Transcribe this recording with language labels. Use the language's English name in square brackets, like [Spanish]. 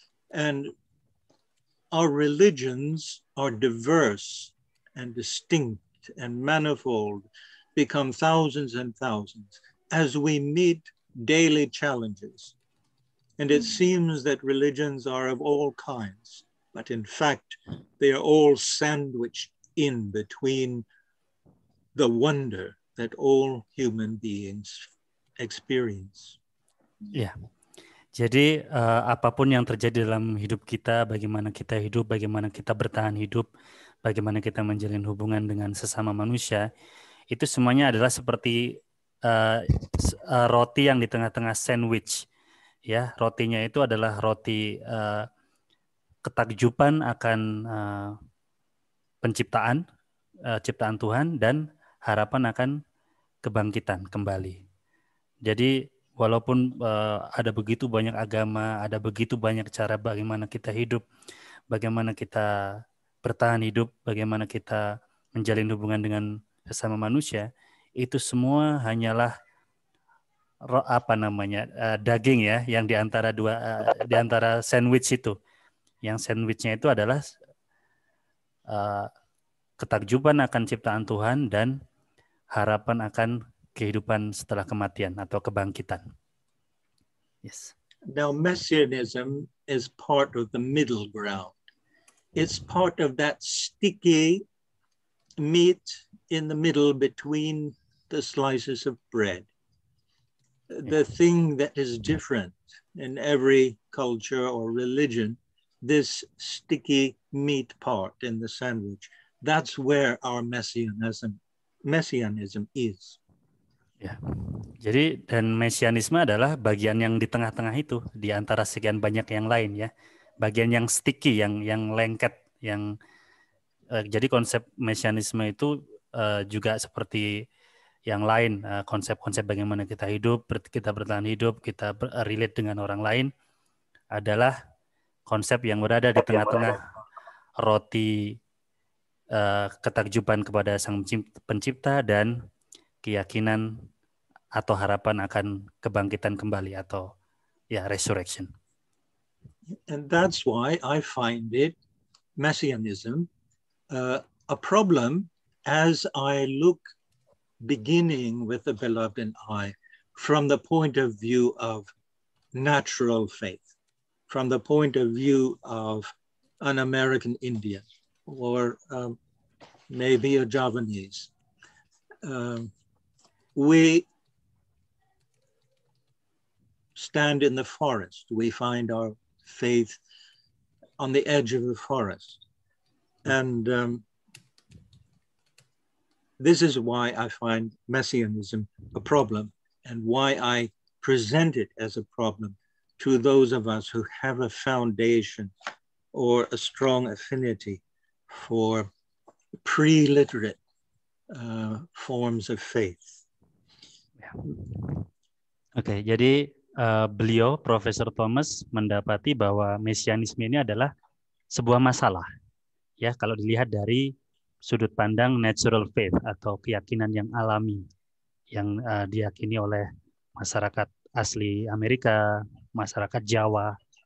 [English] And our religions are diverse and distinct and manifold, become thousands and thousands as we meet daily challenges. And it seems that religions are of all kinds, but in fact, they are all sandwiched in between the wonder that all human beings experience. Yeah. [Indonesian] Jadi apapun yang terjadi dalam hidup kita, bagaimana kita hidup, bagaimana kita bertahan hidup, bagaimana kita menjalin hubungan dengan sesama manusia, itu semuanya adalah seperti roti yang di tengah-tengah sandwich. Ya, rotinya itu adalah roti ketakjuban akan penciptaan, ciptaan Tuhan, dan harapan akan kebangkitan kembali. Jadi walaupun ada begitu banyak agama, ada begitu banyak cara bagaimana kita hidup, bagaimana kita bertahan hidup, bagaimana kita menjalin hubungan dengan sesama manusia, itu semua hanyalah apa namanya daging ya, yang diantara dua diantara sandwich itu, yang sandwichnya itu adalah ketakjuban akan ciptaan Tuhan dan harapan akan kehidupan setelah kematian atau kebangkitan. [English] Yes. Now Messianism is part of the middle ground. It's part of that sticky meat in the middle between the slices of bread. The thing that is different in every culture or religion, this sticky meat part in the sandwich, that's where our messianism is. [Indonesian] Ya, jadi dan mesianisme adalah bagian yang di tengah-tengah itu, di antara sekian banyak yang lain ya, bagian yang sticky, yang lengket, yang jadi konsep mesianisme itu juga seperti yang lain, konsep-konsep bagaimana kita hidup, kita bertahan hidup, kita relate dengan orang lain adalah konsep yang berada di tengah-tengah roti ketakjuban kepada sang pencipta dan keyakinan atau harapan akan kebangkitan kembali atau ya resurrection. [English] And that's why I find it messianism a problem as I look beginning with the beloved and I from the point of view of natural faith, from the point of view of an American Indian or maybe a Javanese. We stand in the forest, we find our faith on the edge of the forest, and this is why I find messianism a problem and why I present it as a problem to those of us who have a foundation or a strong affinity for pre-literate forms of faith. [Indonesian] Okay, jadi beliau, Profesor Thomas, mendapati bahwa mesianisme ini adalah sebuah masalah. Ya, kalau dilihat dari sudut pandang natural faith atau keyakinan yang alami yang diyakini oleh masyarakat asli Amerika, masyarakat Jawa.